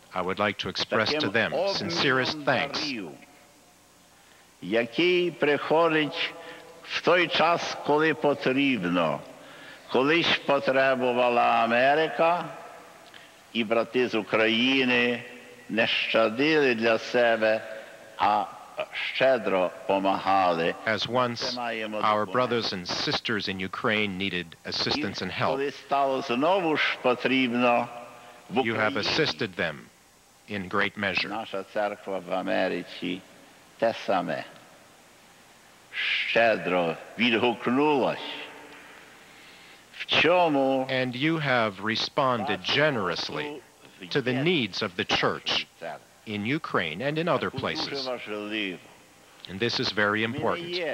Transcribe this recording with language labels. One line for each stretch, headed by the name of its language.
English: I would like to express to them sincerest thanks.
Ukrainian: Який приходить в той час, коли потрібно. Колись потребувала Америка, і брати з України не щадили для себе, а щедро помагали.
English: As once our brothers and sisters in Ukraine needed assistance and help,
Ukrainian: коли стало знову ж потрібно,
English: you have assisted them in great measure.
Ukrainian: Наша церква в Америці те саме щедро відгукнулась.
English: And you have responded generously to the needs of the church in Ukraine and in other places. And this is very important.